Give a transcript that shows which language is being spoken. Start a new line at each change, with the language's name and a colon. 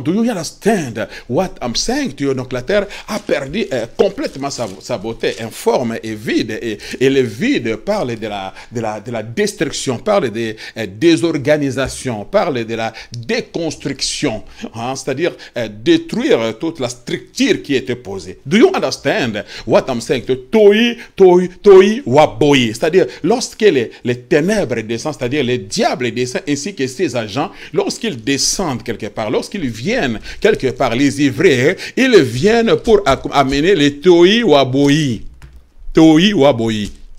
English: Do you understand what I'm saying to you?
French: Donc la terre a perdu complètement sa beauté, informe et vide. Et le vide parle de la destruction, parle de désorganisation, parle de la déconstruction. Hein? C'est-à-dire détruire toute la structure qui était posée.
English: Do you understand what I'm saying to you? Toi, toi, toi, waboi.
French: C'est-à-dire lorsque les ténèbres descendent, c'est-à-dire les diable descend, ainsi que ses agents, lorsqu'ils descendent quelque part, lorsqu'ils viennent quelque part les ivrer, ils viennent pour amener les tohi waboi. Tohi waboi.